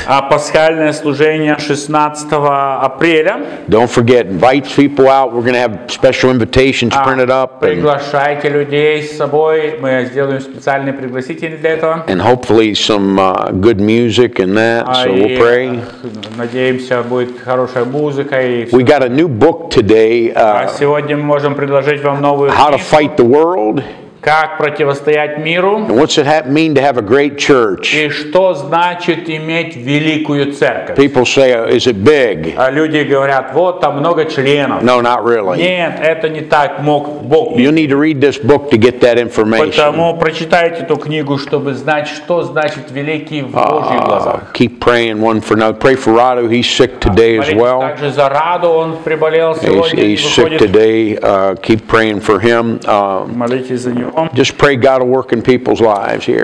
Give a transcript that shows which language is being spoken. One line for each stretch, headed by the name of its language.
Russian: А пасхальное служение 16 апреля.
English: Don't forget, invite people out. We're going to have special invitations printed up.
Russian: Приглашайте людей с собой. Мы сделаем специальные пригласительные для этого.
English: And hopefully some good music and that. So we'll pray.
Russian: Надеемся, будет хорошая музыка и.
English: We got a new book today.
Russian: Сегодня мы можем предложить вам новую.
English: How to fight the world.
Russian: Как противостоять миру?
English: And what's it mean to have a great church?
Russian: И что значит иметь великую церковь?
English: People say, is it big?
Russian: А люди говорят, вот там много членов.
English: No, not really.
Russian: Нет, это не так. Бог.
English: You need to read this book to get that information.
Russian: Поэтому прочитайте эту книгу, чтобы знать, что значит великий в Божьих глазах.
English: Keep praying one for another. Pray for Rado. He's sick today as well.
Russian: Также за Раду, он приболел сегодня.
English: He's sick today. Keep praying for him.
Russian: Молитесь за него.
English: Just pray God will work in people's lives here.